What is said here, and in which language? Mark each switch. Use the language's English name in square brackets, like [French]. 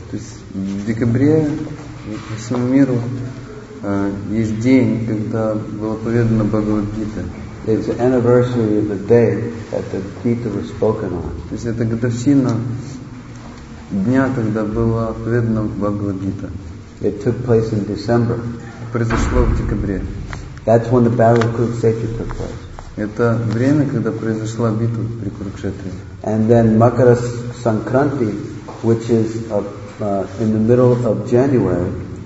[Russian] То есть в декабре по всему миру есть день, когда было поведено Бхагавад Гита. [English] It's the anniversary of the day that the Gita was spoken on. [Russian] То есть это годовщина дня, когда было поведено Бхагавад Гита. [English] It took place in December. [Russian] Произошло в декабре. [English] That's when the battle of Kurukshetra took place. [Russian] Это время, когда произошла битва при Курукшетре. [English] And then Makara Sankranti, which is in the middle of January.